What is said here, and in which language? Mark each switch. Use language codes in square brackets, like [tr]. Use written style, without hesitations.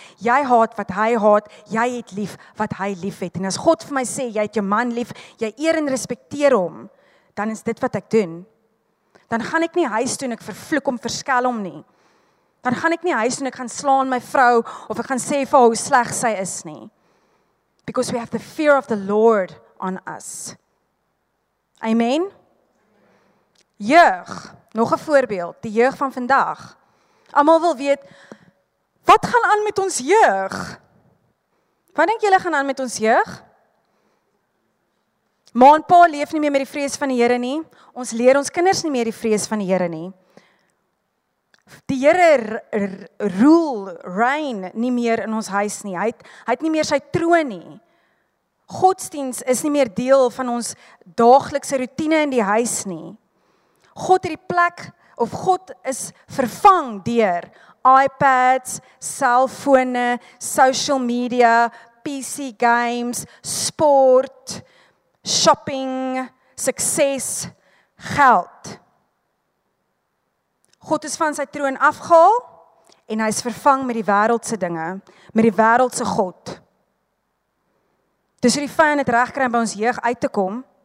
[af] Jy haat wat hy haat, jy het lief wat hy lief het. En as God vir my sê, jy het jou man lief, jy eer en respekteer hom, dan is dit wat ek doen. Dan gaan ek nie huis toe en ek vervloek hom, verskel hom nie. Dan gaan ek nie huis toe en ek gaan slaan my vrou of ek gaan sê vir haar hoe sleg sy is nie. [en] Because we have the fear of the Lord on us. Amen. [af] Jeug, nog 'n voorbeeld, die jeug van vandag. Almal wil weet wat gaan aan met ons jeug? Wat dink julle gaan aan met ons jeug? Ma en pa leef nie meer met die vrees van die Here nie. Ons leer ons kinders nie meer die vrees van die Here nie. Die Here reign nie meer in ons huis nie. Hy het nie meer sy troon nie. Godsdienst is nie meer deel van ons daaglikse routine in die huis nie. God het die plek, of God is vervang deur iPads, selfone, social media, PC games, sport, shopping, sukses, geld. God is van sy troon afgehaal en hy is vervang met die wêreldse dinge, met die wêreldse god. Dis hierdie vyand het reg kry om by ons jeug uit te kom.